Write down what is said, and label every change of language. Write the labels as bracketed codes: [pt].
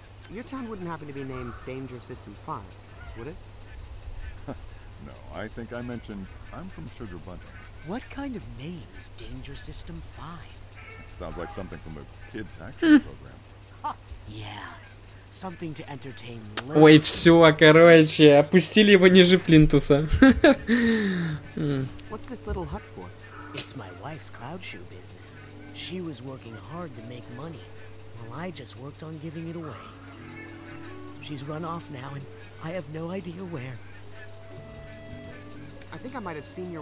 [en] Your town wouldn't happen to be named Danger System 5, would it? No, I think I mentioned I'm from Sugar Bunting. What kind of name is Danger System 5? Sounds like something from a kid's action program. Ha! Yeah. Something to entertain. [ru] Ой, все, короче, опустили его ниже плинтуса. [en] What's this little hut for? It's my wife's cloud shoe business. She was working hard to make money, while I just worked on giving it away. She's run off now, and I have no idea where. I think I might have seen your